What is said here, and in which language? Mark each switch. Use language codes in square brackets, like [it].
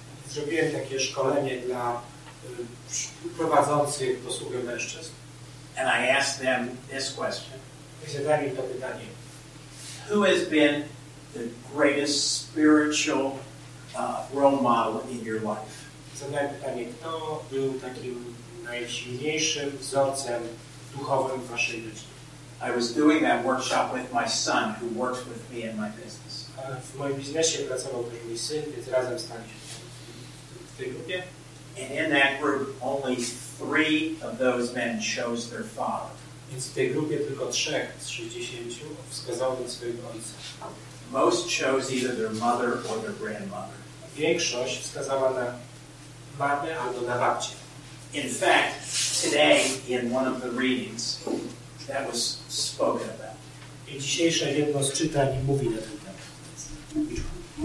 [pl] Zrobiłem takie szkolenie dla prowadzących posługę mężczyzn. [en] And I asked them this question. [pl] I zadałem im to pytanie. [en] Who has been the greatest spiritual role model in your life? [pl] Zadałem pytanie, kto był takim najsilniejszym wzorcem duchowym w waszej rodzinie? [en] I was doing that workshop with my son, who works with me in my business. [pl] W moim biznesie pracował też mój syn, więc razem staliśmy w tej grupie. [en] And in that group, only three of those men chose their father. [pl] Więc w tej grupie tylko trzech z 60 wskazało swojego ojca. [en] Most chose either their mother or their grandmother. [pl] Większość wskazała na mamę albo na babcię. [en] In fact, today, in one of the readings, that was spoken about. [pl] I dzisiejsze jedno z czytań mówi na ten temat.